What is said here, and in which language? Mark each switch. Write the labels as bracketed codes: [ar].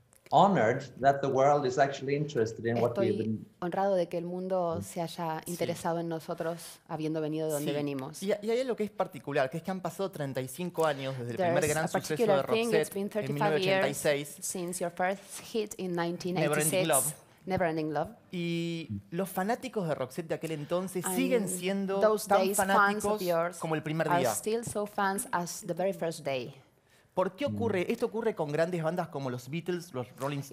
[en] Honored that the world is actually interested in what we've been. [es] Estoy honrado de que el mundo se haya interesado en nosotros, habiendo venido de donde venimos. Y hay algo que es particular, que es que han pasado 35 años desde el primer gran suceso de Roxette en 1986. [en] Since your first hit in 1986. Neverending Love. [es] Y los fanáticos de Roxette de aquel entonces siguen siendo tan fanáticos como el primer día. [en] Are still so fans as the very first day. [es] ¿Por qué ocurre? Esto ocurre con grandes bandas como los Beatles, los Rolling Stones,